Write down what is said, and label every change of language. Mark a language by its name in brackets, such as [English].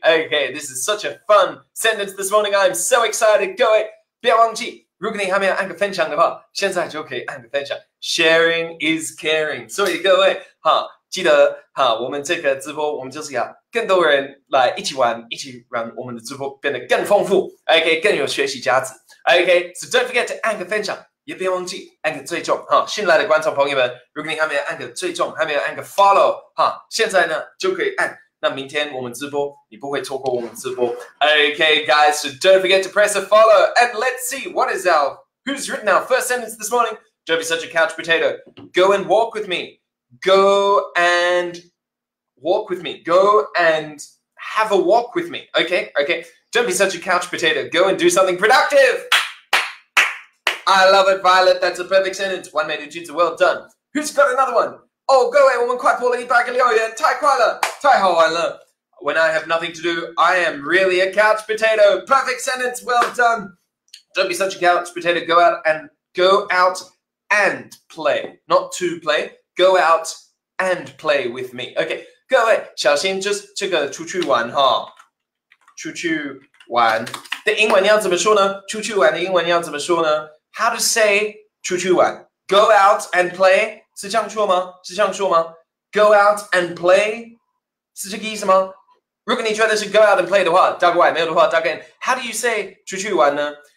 [English] Okay, this is such a fun sentence this morning. I'm so excited. [Chinese] 各位，不要忘记，如果你还没有按个分享的话，现在就可以按个分享。 [English] Sharing is caring. [Chinese] 所以各位，哈，记得哈，我们这个直播，我们就是要更多人来一起玩，一起让我们的直播变得更丰富。 Okay, 更有学习价值。Okay, [English] so don't forget to [Chinese] 按个分享，也别忘记按个追踪。哈，新来的观众朋友们，如果你还没有按个追踪，还没有按个 follow， 哈，现在呢就可以按。那明天我们直播，你不会错过我们直播。 [English] Okay, guys, so don't forget to press a follow. And let's see, who's written our first sentence this morning? Don't be such a couch potato. Go and walk with me. Go and walk with me. Go and have a walk with me. Okay, okay. Don't be such a couch potato. Go and do something productive. I love it, Violet. That's a perfect sentence. [Chinese] 完美的句子, [English] well done. Who's got another one? [Chinese] 哦、oh, ，各位，我们快破了一百个留言，太快了，太好玩了。 [English] When I have nothing to do, I am really a couch potato. Perfect sentence, well done. Don't be such a couch potato. Go out and play, not to play. Go out and play with me. [Chinese] OK, 各位，小心就是这个出去玩哈，出去玩的英文要怎么说呢？出去玩的英文要怎么说呢？ [English] How to say [Chinese] 出去玩？Go out and play 是这样说吗？是这样说吗？ Go out and play 是这个意思吗？如果你觉得是 go out and play 的话，大概没有的话，大概 [English] How do you say [Chinese] 出去玩呢？